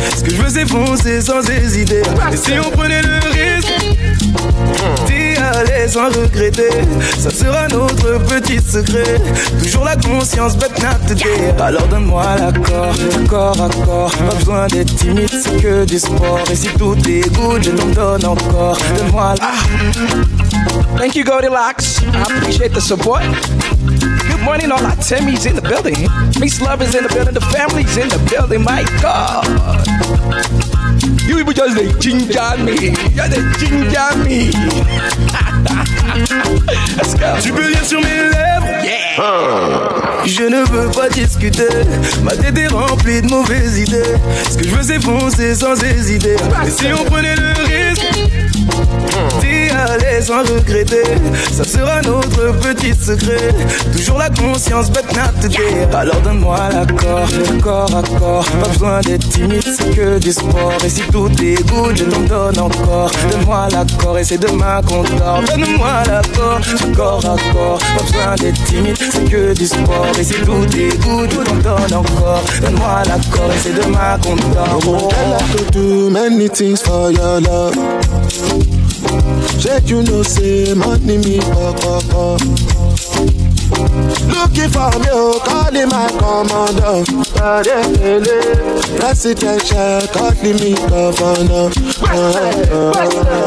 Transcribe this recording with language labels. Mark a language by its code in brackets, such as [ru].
[fr] Ce que je veux, c'est foncer sans hésiter. Et si on prenait le risque, t'es à l'aise sans regretter. Ça sera notre petit secret. Toujours la conscience, but not today. Alors donne-moi l'accord, corps à corps. Pas besoin d'être timide, c'est que du sport. Et si tout est good, je t'en donne encore. Donne-moi l'accord. [en] Thank you, go relax. I appreciate the support. Good morning, all our Timmy's in the building. Miss Love is in the building, the family's in the building. My God. You people just like ginger me. Just like ginger me. Let's go. [fr] Tu peux lire sur mes lèvres. Yeah. Je ne veux pas discuter. Ma tête est remplie de mauvaises idées. Ce que je veux, c'est foncer sans hésiter. Et si on prenait le risque, t'es à l'aise sans regretter. Ça sera notre petit secret. Toujours la conscience, but not today. Alors donne-moi l'accord, corps à corps. Pas besoin d'être timide, c'est que du sport. Et si tout est good, je t'en donne encore. Donne-moi l'accord et c'est demain qu'on dort. Donne-moi l'accord, corps à corps. Pas besoin d'être timide, c'est que du sport. Et si tout est good, je t'en donne encore. Donne-moi l'accord et c'est demain qu'on dort. [en] Oh, oh, oh. I like to do many things for your love. Said you know, say money me pop up. Looking for me, oh, calling my commander. Presidential, calling me governor.